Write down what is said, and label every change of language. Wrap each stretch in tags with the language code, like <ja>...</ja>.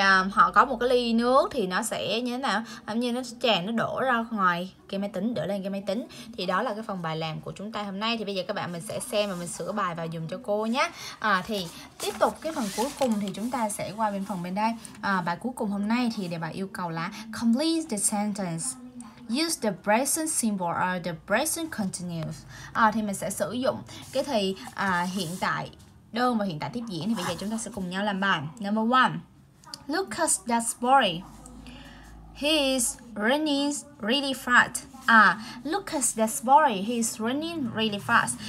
<vi>Họ có một cái ly nước thì nó sẽ như thế nào? Giống như nó tràn, nó đổ ra ngoài cái máy tính, đổ lên cái máy tính. Thì đó là cái phần bài làm của chúng ta hôm nay. Thì bây giờ các bạn mình sẽ xem và mình sửa bài vào dùng cho cô nhé. Thì tiếp tục cái phần cuối cùng thì chúng ta sẽ qua bên phần bên đây. Bài cuối cùng hôm nay thì để bài yêu cầu là</vi> <en>complete the sentence. Use the present symbol or the present continuous.</en> <vi>Thì mình sẽ sử dụng cái thì hiện tại đơn và hiện tại tiếp diễn. Thì bây giờ chúng ta sẽ cùng nhau làm bài.</vi> <en>Number 1. Lucas does boy. He is running really fast. Lucas does boy. He is running really fast.</en>